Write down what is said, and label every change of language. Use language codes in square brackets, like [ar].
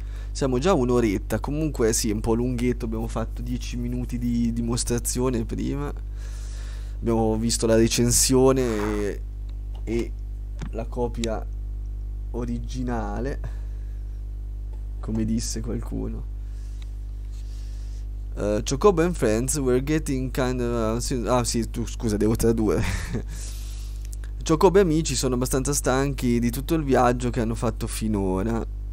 [it] Siamo già un'oretta, comunque sì, è un po' lunghetto, abbiamo fatto 10 minuti di dimostrazione prima. Abbiamo visto la recensione e la copia originale, come disse qualcuno. [en] Chocobo and Friends, we're getting kind of... [it] scusa, devo tradurre. Chocobo e amici sono abbastanza stanchi di tutto il viaggio che hanno fatto finora.